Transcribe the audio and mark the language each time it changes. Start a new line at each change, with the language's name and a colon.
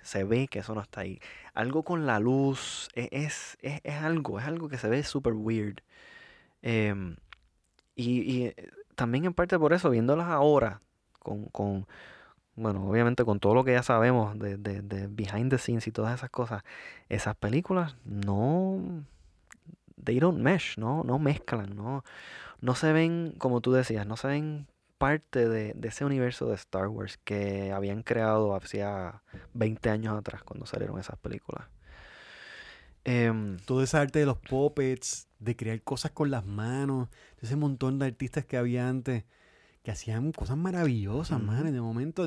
Spanish: Se ve que eso no está ahí. Algo con la luz. Es algo que se ve súper weird. Y también en parte por eso, viéndolas ahora, bueno, obviamente con todo lo que ya sabemos de
English: behind the scenes
Spanish: y todas esas cosas, esas películas no.
English: They don't mesh, no,
Spanish: no mezclan,
English: no.
Spanish: No se ven, como tú decías, no se ven parte de ese universo de Star Wars que habían creado hacía 20 años atrás cuando salieron esas películas. Todo ese arte de los puppets, de crear cosas con las manos, ese montón de artistas que había antes que hacían cosas maravillosas, man, de momento.